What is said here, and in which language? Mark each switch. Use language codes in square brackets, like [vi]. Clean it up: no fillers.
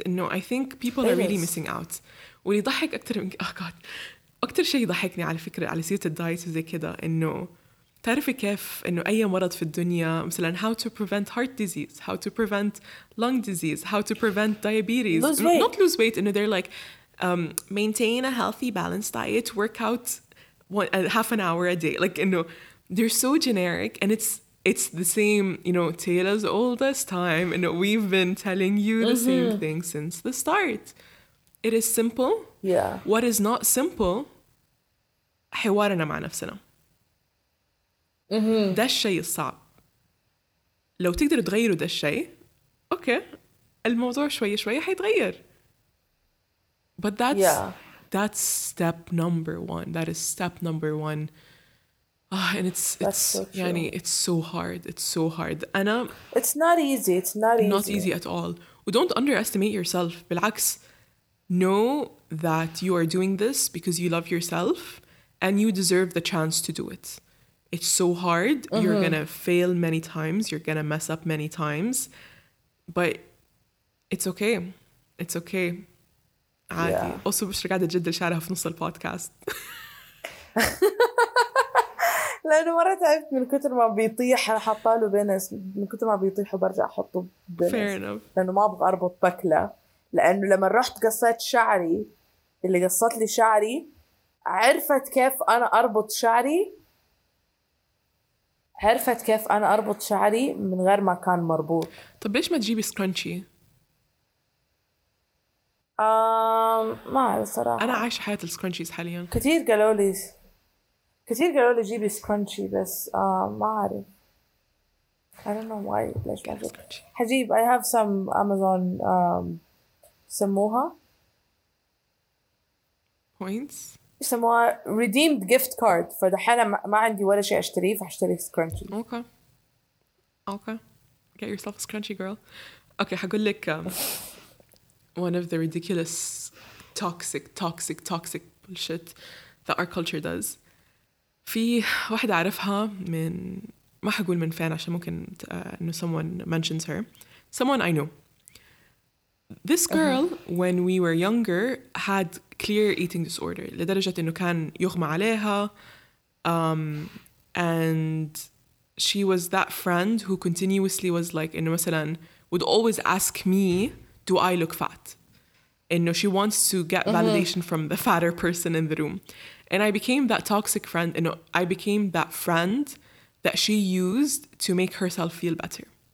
[en] And no, I think people are really missing out. [ar] واللي ضحك أكتر من [en] oh God. [ar] أكتر شيء ضحكني على فكرة على سيرة الدايت وزي كده إنه تعرف كيف إنه أي مرض في الدنيا مثلاً [en] how to prevent heart disease, how to prevent lung disease, how to prevent diabetes. Not lose weight. إنه they're like maintain a healthy balanced diet, work out half an hour a day. Like إنه they're so generic and it's the same, you know, tale as old as time. And we've been telling you the same thing since the start. It is simple. Yeah. What is not simple, [ar] حوارنا مع نفسنا. ده الشيء الصعب. لو تقدر تغيره ده الشيء, okay, الموضوع شوي شوي حيتغير. [en] But that's step number one. That is step number one. And it's so يعني it's so hard. And it's not easy at all. Don't underestimate yourself. [ar] بالعكس, [en] know that you are doing this because you love yourself and you deserve the chance to do it. It's so hard. Mm-hmm. You're gonna fail many times. You're gonna mess up many times, but it's okay. [ar] عادي. Also, مش قاعدة جد شعرها في نص البودكاست. لأنه مرة تعبت من كتر ما بيطيح أنا حطاله بين من كتر ما بيطيح وبرجع أحطه بين لأنه ما أبغى أربط بكلة لأنه لما رحت قصيت شعري اللي قصت لي شعري عرفت كيف أنا أربط شعري من غير ما كان مربوط. طب ليش ما تجيبي سكرانشي؟ ما أعرف صراحة, أنا عايش حياة السكرانشيز حاليا. كتير قالوا لي جيبي سكرانشي بس ما أعرف. ليش ما حجيب. [en] I have some Amazon [ar] سموها [en] points, [ar] سموها [en] redeemed gift card, [ar] فدحين ما عندي ولا شيء أشتريه فأشتري سكرانشي. [en] Okay get yourself a scrunchie girl. Okay [ar] هقول لك [en] one of the ridiculous toxic bullshit that our culture does. [ar] في واحدة أعرفها من ما حقول من فين عشان ممكن إنه [en] someone mentions her. Someone I know. This girl, when we were younger, had clear eating disorder. [ar] لدرجة إنه كان يغمى عليها. [en] And she was that friend who continuously was like, [ar] إنه مثلاً [en] would always ask me, do I look fat? إنه she wants to get validation from the fatter person in the room. And I became that toxic friend, you know, I became that friend that she used to make herself feel better.